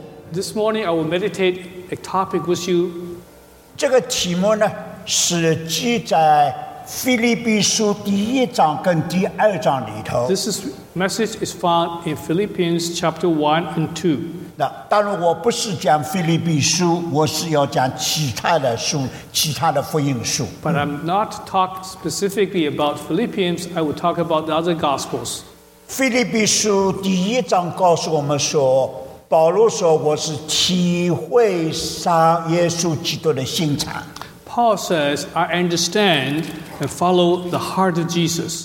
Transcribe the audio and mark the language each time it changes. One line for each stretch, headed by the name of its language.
English: This morning, I will meditate a topic with you.
Chinese: 这个题目呢, 是记在腓立比书第一章跟第二章里头。
English: This message is found in Philippians chapter 1 and 2.
Chinese: 那当然我不是讲腓立比书, 我是要讲其他的书, 其他的福音书。
English: But I'm not talking specifically about Philippians, I will talk about the other Gospels.
Chinese: 腓立比书第一章告诉我们说, 保罗说我是体会上耶稣基督的心肠。
English: Paul says, I understand and follow the heart of Jesus.